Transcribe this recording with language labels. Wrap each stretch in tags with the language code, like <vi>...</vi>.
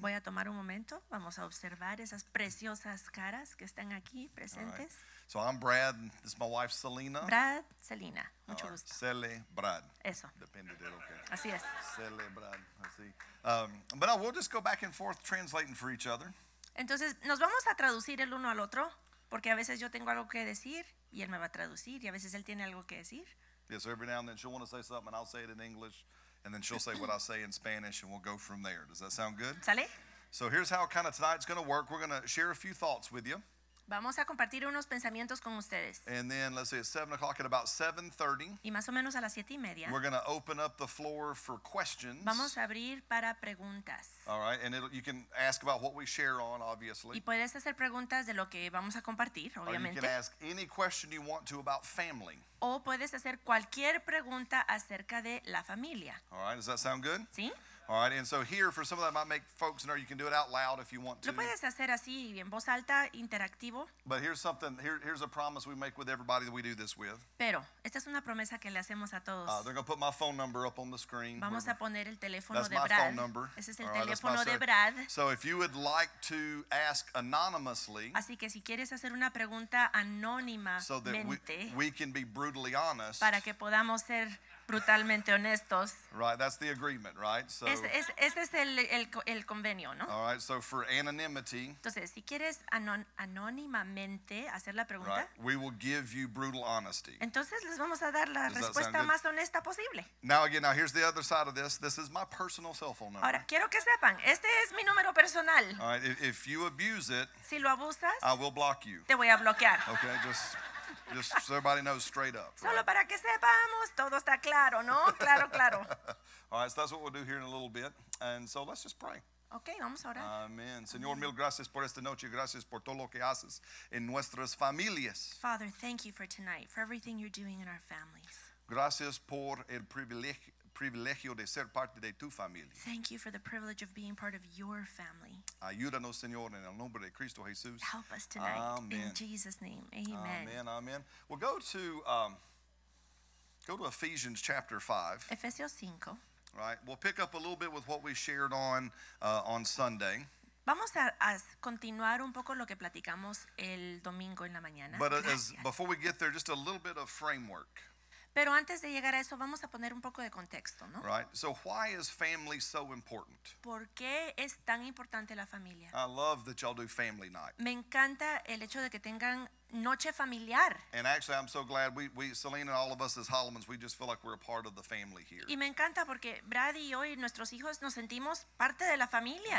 <es>Voy a tomar un momento. Vamos a observar esas preciosas caras que están aquí presentes.</es> <en>So I'm Brad, and this is my wife, Selena.</en> <es>Brad, Selena. Mucho gusto. Cele, Brad. Eso. Depende de lo que. Así es. Cele, Brad. Así.</es> <en>But we'll just go back and forth translating for each other.</en> <es>Entonces, nos vamos a traducir el uno al otro, porque a veces yo tengo algo que decir, y él me va a traducir, y a veces él tiene algo que decir.</es> <en>Yeah, so every now and then she'll want to say something, and I'll say it in English, and then she'll say what I say in Spanish, and we'll go from there. Does that sound good?</en> <es>¿Sale?</es> <en>So here's how kind of tonight's going to work. We're going to share a few thoughts with you.</en> <es>Vamos a compartir unos pensamientos con ustedes.</es> <en>And then, let's say it's 7 o'clock at about 7:30.</en> <es>Y más o menos a las 7 y media.</es> <en>We're going to open up the floor for questions.</en> <es>Vamos a abrir para preguntas.</es> <en>All right, and you can ask about what we share on, obviously.</en> <es>Y puedes hacer preguntas de lo que vamos a compartir, obviamente.</es> <en>Or you can ask any question you want to about family.</en> <es>O puedes hacer cualquier pregunta acerca de la familia.</es> <en>All right, does that sound good?</en> <es>Sí.</es> <en>All right, and so here, for some of that might make folks nervous, you can do it out loud if you want to.</en> <es>Lo puedes hacer así, en voz alta, interactivo.</es> <en>But here's something, here's a promise we make with everybody that we do this with.</en> <es>Pero, esta es una promesa que le hacemos a todos.</es> <en>They're going to put my phone number up on the screen.</en> <es>Vamos a poner el teléfono de Brad.</es> <en>That's my phone number.</en> <es>Ese es el teléfono de Brad.</es> <en>So if you would like to ask anonymously.</en> <es>Así que si quieres hacer una pregunta anónimamente.</es> <en>So that we can be brutally honest.</en> <es>Para que podamos ser brutalmente honestos.</es> <en>Right, that's the agreement, right?</en> <es>So, ese es el convenio, ¿no?</es> <en>All right, so for anonymity.</en> <es>Entonces, si quieres anónimamente hacer la pregunta,</es> <en>right, we will give you brutal honesty.</en> <es>Entonces, les vamos a dar la respuesta más honesta posible.</es> <en>Now again, now here's the other side of this. This is my personal cell phone number.</en> <es>Ahora, quiero que sepan, este es mi número personal.</es> <en>All right, if you abuse it,</en> <es>si lo abusas,</es> <en>I will block you.</en> <es>Te voy a bloquear.</es> <en>Okay, just so everybody knows straight up.</en> <es>Solo</es> <en>right?</en> <es>Para que sepamos, todo está claro, ¿no? Claro, claro.</es> <en>All right, so that's what we'll do here in a little bit. And so let's just pray.</en> <es>Okay, vamos a orar. Amen. Señor, mil gracias por esta noche. Gracias por todo lo que haces en nuestras familias.</es> <en>Father, thank you for tonight, for everything you're doing in our families.</en> <es>Gracias por el privilegio de ser parte de tu familia.</es> <en>Thank you for the privilege of being part of your family.</en> <es>Ayúdanos, Señor, en el nombre de Cristo Jesús.</es> <en>Help us tonight. Amen. In Jesus' name. Amen. Amen. Amen. Well, go to Ephesians chapter 5.</en> <es>Efesios 5.</es> <en>Right. We'll pick up a little bit with what we shared on Sunday.</en> <es>Vamos a continuar un poco lo que platicamos el domingo en la mañana.</es> <en>But as before we get there, just a little bit of framework.</en> <es>Pero antes de llegar a eso, vamos a poner un poco de contexto, ¿no?</es> <en>Right. So why is family so important?</en> <es>¿Por qué es tan importante la familia?</es> <en>I love that y'all do family night.</en> <es>Me encanta el hecho de que tengan noche familiar.</es> <en>And actually, I'm so glad we Selena and all of us as Hollimans, we just feel like we're a part of the family here.</en> <es>Y me encanta porque Brad y yo y nuestros hijos nos sentimos parte de la familia</es>